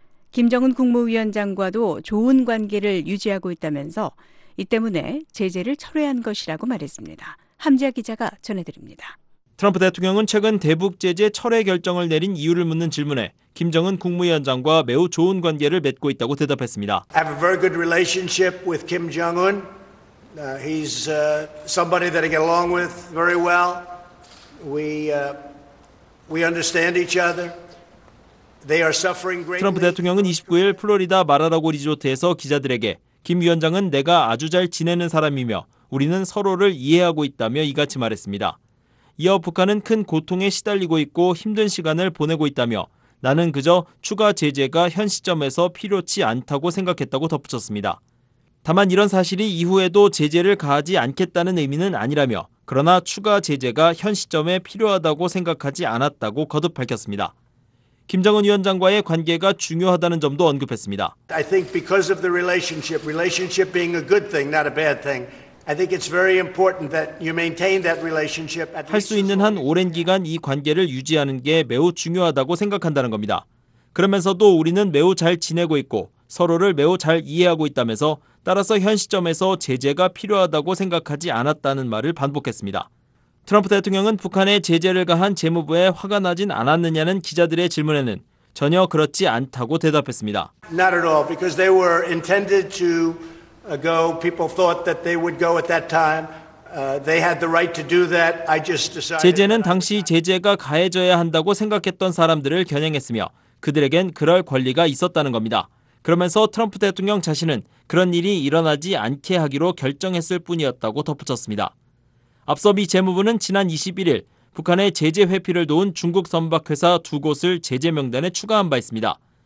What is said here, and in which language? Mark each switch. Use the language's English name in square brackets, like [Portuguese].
[Korean] 김정은 국무위원장과도 좋은 관계를 유지하고 있다면서 이 때문에 제재를 철회한 것이라고 말했습니다. 함지아 기자가 전해드립니다. 트럼프 대통령은 최근 대북 제재 철회 결정을 내린 이유를 묻는 질문에 김정은 국무위원장과 매우 좋은 관계를 맺고 있다고 대답했습니다. [English] I have a very good relationship with Kim Jong-un. He's somebody that I get along with very well. We understand each other. They are suffering greatly. [Korean] 트럼프 대통령은 29일 플로리다 마라라고 리조트에서 기자들에게 김 위원장은 내가 아주 잘 지내는 사람이며 우리는 서로를 이해하고 있다며 이같이 말했습니다. 이어 북한은 큰 고통에 시달리고 있고 힘든 시간을 보내고 있다며 나는 그저 추가 제재가 현 시점에서 필요치 않다고 생각했다고 덧붙였습니다. 다만 이런 사실이 이후에도 제재를 가하지 않겠다는 의미는 아니라며 그러나 추가 제재가 현 시점에 필요하다고 생각하지 않았다고 거듭 밝혔습니다. 김정은 위원장과의 관계가 중요하다는 점도 언급했습니다. [English] I think because of the relationship being a good thing, not a bad thing. I think it's very important that you maintain that relationship. [Korean] 할 수 있는 한 오랜 기간 이 관계를 유지하는 게 매우 중요하다고 생각한다는 겁니다. 그러면서도 우리는 매우 잘 지내고 있고 서로를 매우 잘 이해하고 있다면서 따라서 현 시점에서 제재가 필요하다고 생각하지 않았다는 말을 반복했습니다. 트럼프 대통령은 북한의 제재를 가한 재무부에 화가 나진 않았느냐는 기자들의 질문에는 전혀 그렇지 않다고 대답했습니다. [English] Not at all, because they were intended to go. People thought that they would go at that time. They had the right to do that. I just decided. [Korean] 제재는 당시 제재가 가해져야 한다고 생각했던 사람들을 겨냥했으며 그들에겐 그럴 권리가 있었다는 겁니다. 그러면서 트럼프 대통령 자신은 그런 일이 일어나지 않게 하기로 결정했을 뿐이었다고 덧붙였습니다. 앞서 미 재무부는 지난 21일 북한의 제재 회피를 도운 중국 선박회사 두 곳을 제재 명단에 추가한 바 있습니다.